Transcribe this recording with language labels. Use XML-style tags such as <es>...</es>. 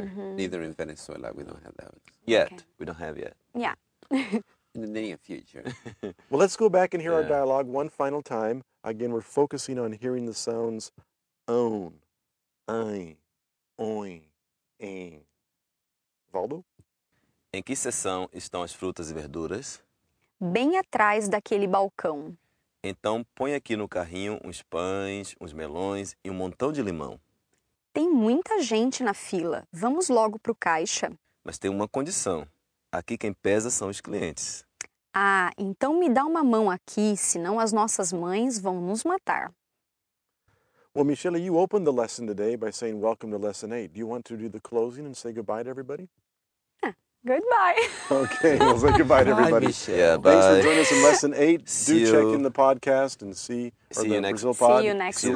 <en>Mm-hmm. Neither in Venezuela, we don't have that. Yet. Okay. We don't have yet. Yeah. In the near future. Well, let's go back and hear our dialogue one final time. Again, we're focusing on hearing the sounds own, ein, oin, ein. Valdo?</en> <pt>Em que seção estão as frutas e verduras? Bem atrás daquele balcão. Então, põe aqui no carrinho uns pães, uns melões e um montão de limão. Tem muita gente na fila. Vamos logo para o caixa. Mas tem uma condição. Aqui quem pesa são os clientes. Ah, então me dá uma mão aqui, senão as nossas mães vão nos matar.</pt> <en>Well, Michele, you opened the lesson today by saying welcome to lesson 8. Do you want to do the closing and say goodbye to everybody? Goodbye. Okay, well, say goodbye to everybody. Bye, Michele. Thanks for joining us in Lesson 8. Check in the podcast and see. See you next time. See you</en>